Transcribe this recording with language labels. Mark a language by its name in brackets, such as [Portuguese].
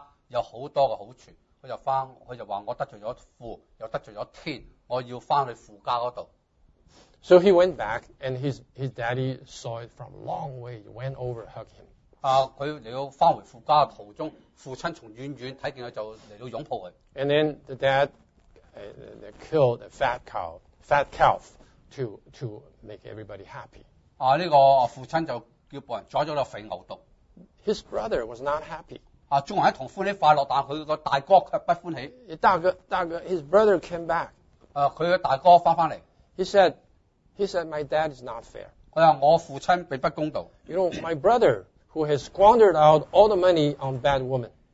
[Chinese] 他没有食物了,他又想起我父家有很多的好处。他就说我得罪了父,又得罪了天,我要回到父家那里。 [English] So he went back, and his daddy saw it from a long way, went over, hugged him. [Chinese] 他回到父家的途中,父亲从远远看见他,就来到拥抱他。 [English] And then the dad killed a fat calf to make everybody happy. [Chinese] 这个父亲就叫别人宰了肥牛犊。 [English] His brother was not happy. [Chinese] 众人同欢喜快乐,但他的大哥却不欢喜。大哥, [English] his brother came back. [Chinese] 他的大哥回来。 [English] He said, my dad is not fair. [Chinese] 他说我父亲被不公道。 [English] You know, my brother, who has squandered out all the money on bad women.